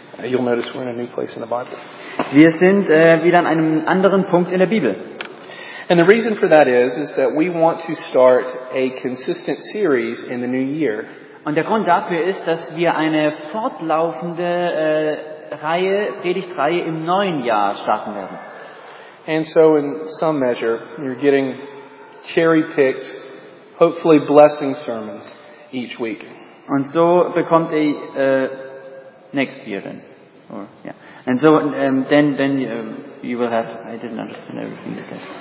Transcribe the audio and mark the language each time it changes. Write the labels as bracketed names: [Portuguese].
[English] You'll notice we're in a new place in the Bible. [German] Wir sind wieder an einem anderen Punkt in der Bibel. [English] And the reason for that is that we want to start a consistent series in the new year. [German] Und der Grund dafür ist, dass wir eine fortlaufende Predigtreihe im neuen Jahr starten werden. [English] And so in some measure you're getting cherry-picked, hopefully blessing sermons each week. [German] Und so bekommt ihr [English] next year then. Or yeah. And so then you will have, I didn't understand everything you said.